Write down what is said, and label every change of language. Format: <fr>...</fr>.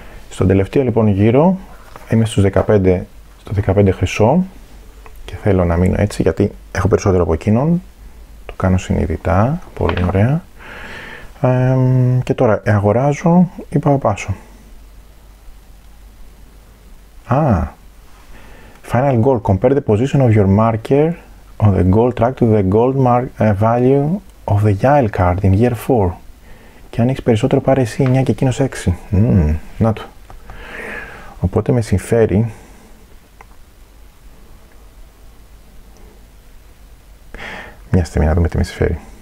<el>Στον τελευταίο λοιπόν γύρο, είμαι στους 15, στο 15 χρυσό. Και θέλω να μείνω έτσι, γιατί έχω περισσότερο από εκείνον. Το κάνω συνειδητά. Πολύ ωραία. Και τώρα αγοράζω ή πάω πάσο. Α, final goal.</el> <en>Compare the position of your marker on the goal track to the goal mark, value of the yield card in year 4.</en> <el>Και αν έχεις περισσότερο, πάρε εσύ 9 και εκείνος 6. Να το. Οπότε με συμφέρει. Μια στιγμή να δούμε τι με συμφέρει.</el>